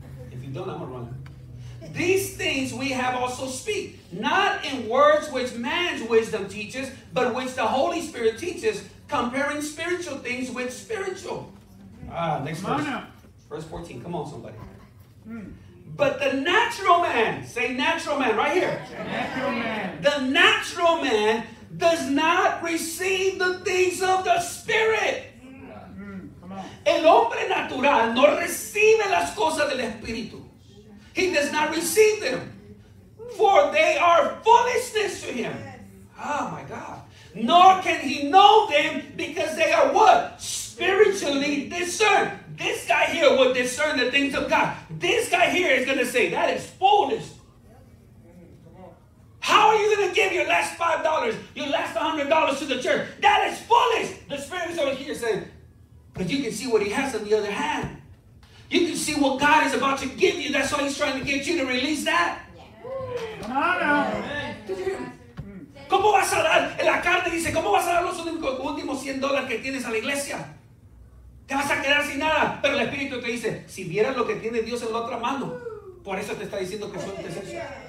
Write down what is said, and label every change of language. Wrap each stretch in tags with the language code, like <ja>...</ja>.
<en>If you don't, I'm going to run it. These things we have also speak, not in words which man's wisdom teaches, but which the Holy Spirit teaches, comparing spiritual things with spiritual. Next come verse. On verse 14. Come on, somebody. But the natural man, say natural man right here. Natural man. The natural man does not receive the things of the Spirit.</en> <es>El hombre natural no recibe las cosas del Espíritu.</es> <en>He does not receive them, for they are foolishness to him. Oh, my God. Nor can he know them because they are what? Spiritually discerned. This guy here will discern the things of God. This guy here is going to say, that is foolish. How are you going to give your last $5, your last $100 to the church? That is foolish. The Spirit is over here saying, but you can see what he has on the other hand. You can see what God is about to give you. That's why he's trying to get you to release that. Yeah. Come on now. Amen.</en> <es>¿Cómo vas a dar? La carta dice, ¿cómo vas a dar los últimos $100 que tienes a la iglesia? Te vas a quedar sin nada. Pero el Espíritu te dice, si vieras lo que tiene Dios en la otra mano, por eso te está diciendo que sueltes eso.</es>